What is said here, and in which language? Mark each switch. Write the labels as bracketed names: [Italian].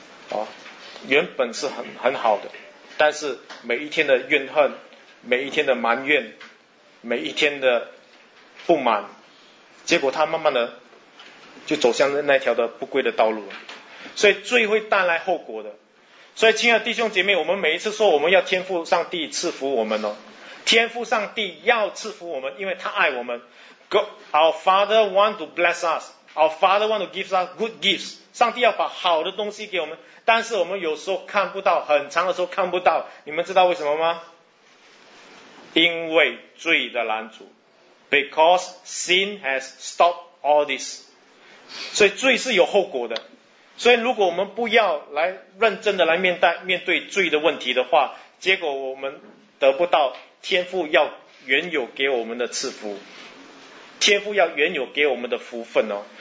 [Chinese] 哦，原本是很好的，但是每一天的怨恨，每一天的埋怨，每一天的不满，结果他慢慢的就走向那条的不归的道路了。所以罪会带来后果的。所以亲爱的弟兄姐妹，我们每一次说我们要天父上帝赐福我们哦，天父上帝要赐福我们，因为他爱我们。 [English] Our Father want to bless us. Our Father want to give us good gifts. [Chinese] 上帝要把好的东西给我们，但是我们有时候看不到，很长的时候看不到，你们知道为什么吗？因为罪的拦阻。 [English] Because sin has stopped all this. [Chinese] 所以罪是有后果的，所以如果我们不要来认真的来面对罪的问题的话，结果我们得不到天父要原有给我们的赐福，天父要原有给我们的福分哦。